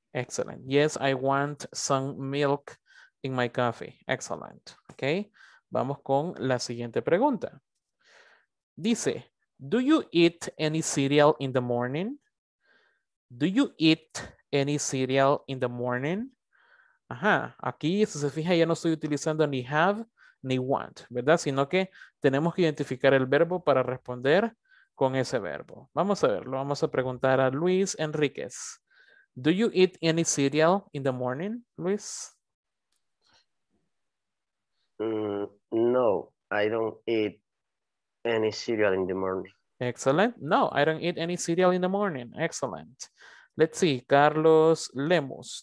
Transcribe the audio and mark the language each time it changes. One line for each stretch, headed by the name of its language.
English: Excellent. Yes, I want some milk in my coffee. Excellent. Okay.
Spanish: Vamos con la siguiente pregunta. Dice,
English: do you eat any cereal in the morning? Do you eat any cereal in the morning?
Spanish: Ajá, aquí si se fija ya no estoy utilizando ni have ni want, ¿verdad? Sino que tenemos que identificar el verbo para responder con ese verbo. Vamos a verlo, vamos a preguntar a Luis Enríquez.
English: Do you eat any cereal in the morning, Luis? No, I don't eat any cereal in the morning. Excellent. No, I don't eat any cereal in the morning. Excellent. Let's see, Carlos Lemos.